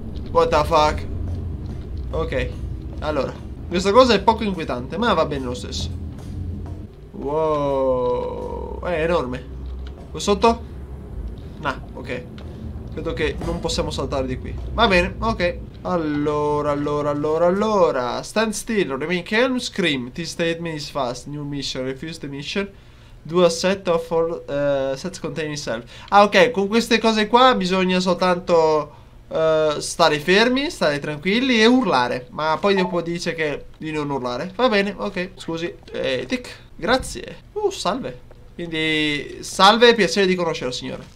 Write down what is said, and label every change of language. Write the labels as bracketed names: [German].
[English] What the fuck? [Italian] Ok, allora, questa cosa è poco inquietante, ma va bene lo stesso. Wow, è enorme. Qua sotto? Nah, ok. Credo che non possiamo saltare di qui. Va bene, ok. Allora. [English] Stand still, remain calm, scream. This statement is fast. New mission, refuse the mission. Do a set of all sets containing self. [Italian] Ah, ok, con queste cose qua bisogna soltanto... stare fermi, stare tranquilli e urlare. Ma poi dopo dice che di non urlare. Va bene, ok. Scusi. Tic. Grazie. Salve. Quindi, salve, piacere di conoscere, signore.